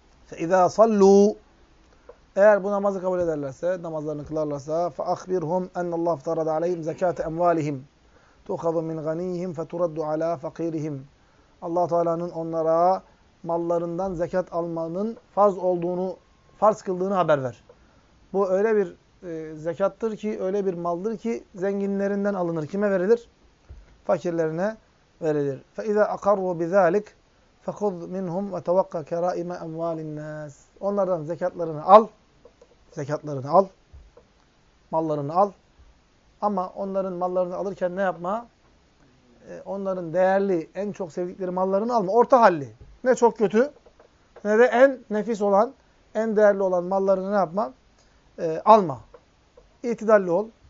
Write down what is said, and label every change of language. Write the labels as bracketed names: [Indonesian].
[Arabic] اِذَا صَلُّوا [Turkish] Eğer bu namazı kabul ederlerse, namazlarını kılarlarsa [Arabic] فَاَخْبِرْهُمْ اَنَّ اللّٰهُ فَرَضَ عَلَيْهِمْ زَكَاتَ اَمْوَالِهِمْ تُخَذُ مِنْ غَن۪يهِمْ فَتُرَدُّ عَلَى فَق۪يرِهِمْ [Turkish] Allah Teala'nın onlara mallarından zekat almanın farz olduğunu, farz kıldığını haber ver. Bu öyle bir zekattır ki, öyle bir maldır ki zenginlerinden alınır. Kime verilir? Fakirlerine verilir. [Arabic] فَاِذَا اَقَرُّوا بِذَٰلِكَ فَخُذْ مِنْهُمْ وَتَوَقَّ كَرَائِمَ اَمْوَالِ النَّاسِ [Turkish] Onlardan zekatlarını al. Zekatlarını al. Mallarını al. Ama onların mallarını alırken ne yapma? Onların değerli, en çok sevdikleri mallarını alma. Orta halli. Ne çok kötü, ne de en nefis olan, en değerli olan mallarını ne yapma? Alma. İtidalli ol.